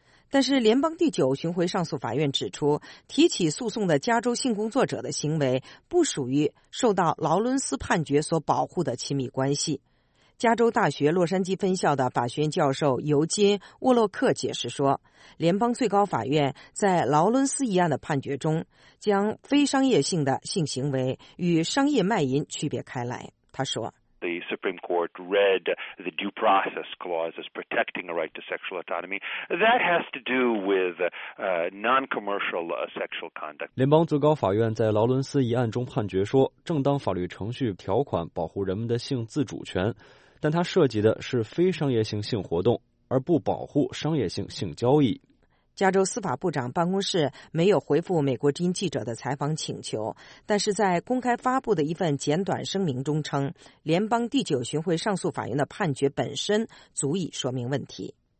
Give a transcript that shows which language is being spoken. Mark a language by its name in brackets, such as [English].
[Chinese] 但是联邦第九巡回上诉法院指出，提起诉讼的加州性工作者的行为不属于受到劳伦斯判决所保护的亲密关系。加州大学洛杉矶分校的法学院教授尤金·沃洛克解释说，联邦最高法院在劳伦斯一案的判决中将非商业性的性行为与商业卖淫区别开来。他说， [English] The Supreme Court read the due process clause as protecting a right to sexual autonomy. That has to do with non-commercial sexual conduct. [Chinese] 联邦最高法院在劳伦斯一案中判决说，正当法律程序条款保护人们的性自主权，但它涉及的是非商业性性活动，而不保护商业性性交易。加州司法部长办公室没有回复美国之音记者的采访请求，但是在公开发布的一份简短声明中称，联邦第九巡回上诉法院的判决本身足以说明问题。